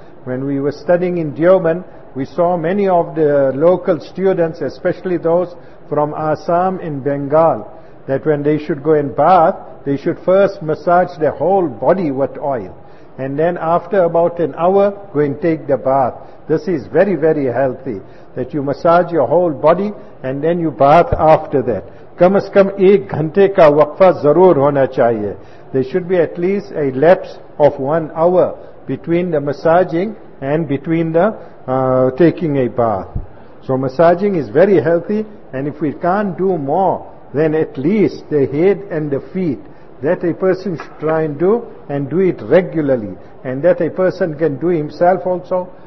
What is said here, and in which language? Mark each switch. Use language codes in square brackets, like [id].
[en] When we were studying in Dioban, we saw many of the local students, especially those from Assam in Bengal, that when they should go and bath, they should first massage their whole body with oil. And then after about an hour, go and take the bath. This is very, very healthy, that you massage your whole body and then you bath after that. [ur] کم از کم ایک گھنٹے کا وقفہ ضرور ہونا چاہیے. [en] There should be at least a lapse of 1 hour between the massaging and between the taking a bath. So massaging is very healthy, and if we can't do more, then at least the head and the feet, that a person should try and do, and do it regularly, and that a person can do himself also.